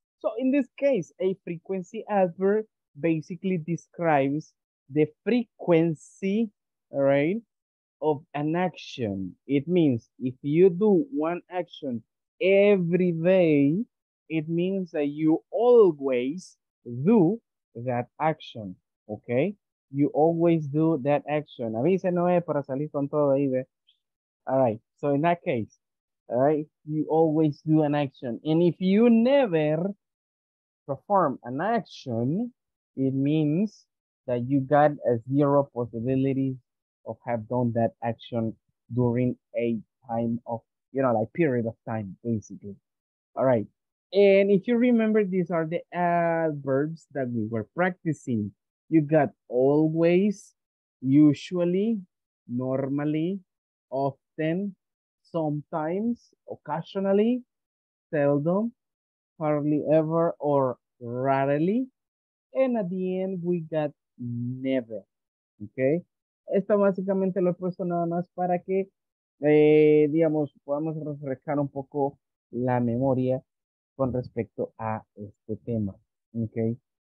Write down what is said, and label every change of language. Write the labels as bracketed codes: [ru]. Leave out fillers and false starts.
[en] So in this case, a frequency adverb basically describes the frequency, right, of an action. It means if you do one action every day, it means that you always do that action, okay? You always do that action. [es] Avise Noé para salir con todo ahí, ¿ve? [en] All right, so in that case, all right, you always do an action. And if you never perform an action, it means that you got a zero possibility of have done that action during a time of, you know, like period of time, basically. All right. And if you remember, these are the adverbs that we were practicing. You got always, usually, normally, often, sometimes, occasionally, seldom, hardly ever, or rarely. And at the end, we got never, okay? [es] Esto básicamente lo he puesto nada más para que, digamos, podamos refrescar un poco la memoria con respecto a este tema, okay?